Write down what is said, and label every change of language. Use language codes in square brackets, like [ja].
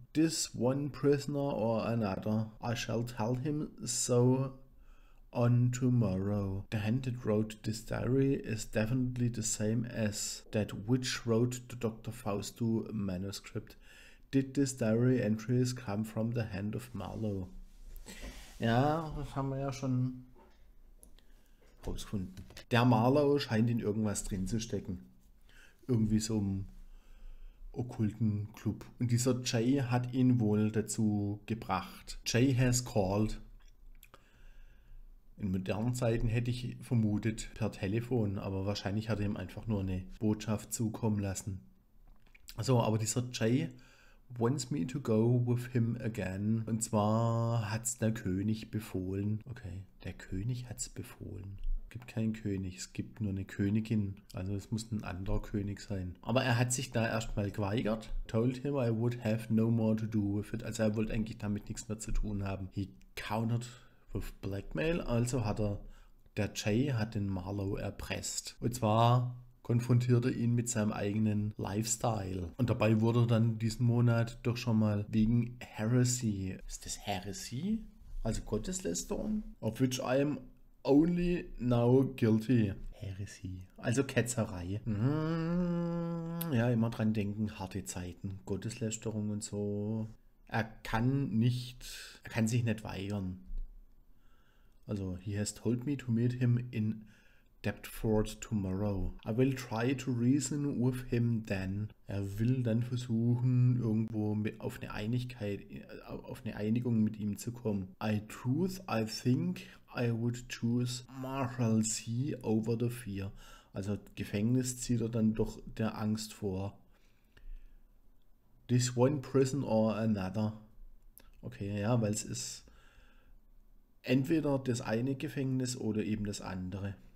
[en] This one prisoner or another, I shall tell him so on tomorrow. The hand that wrote this diary is definitely the same as that which wrote the Dr. Faustu manuscript. Did this diary entries come from the hand of Marlowe? [de] Ja, das haben wir ja schon rausgefunden. Der Marlowe scheint in irgendwas drin zu stecken. Irgendwie so im okkulten Club. Und dieser Jay hat ihn wohl dazu gebracht. [en] Jay has called. [de] In modernen Zeiten hätte ich vermutet per Telefon, aber wahrscheinlich hat er ihm einfach nur eine Botschaft zukommen lassen. So, aber dieser [en] Jay wants me to go with him again. [de] Und zwar hat's der König befohlen. Okay, der König hat's befohlen. Gibt keinen König, es gibt nur eine Königin. Also es muss ein anderer König sein. Aber er hat sich da erstmal geweigert. [en] Told him I would have no more to do with it. [de] Also er wollte eigentlich damit nichts mehr zu tun haben. [en] He countered with blackmail. [de] Also hat er, der Jay hat den Marlowe erpresst. Und zwar konfrontierte ihn mit seinem eigenen Lifestyle. Und dabei wurde er dann diesen Monat doch schon mal wegen Heresy. Ist das Heresy? Also Gotteslästerung? [en] Of which I am only now guilty. [de] Heresy. Also Ketzerei. Ja, immer dran denken, harte Zeiten. Gotteslästerung und so. Er kann sich nicht weigern. [en] Also, he has told me to meet him in Deptford tomorrow. I will try to reason with him then. [de] Er will dann versuchen, irgendwo auf eine Einigung mit ihm zu kommen. [en] I think I would choose Marshalsea over the fear. [de] Also Gefängnis zieht er dann doch der Angst vor. [en] This one prison or another. [de] Okay, ja, weil es ist entweder das eine Gefängnis oder eben das andere.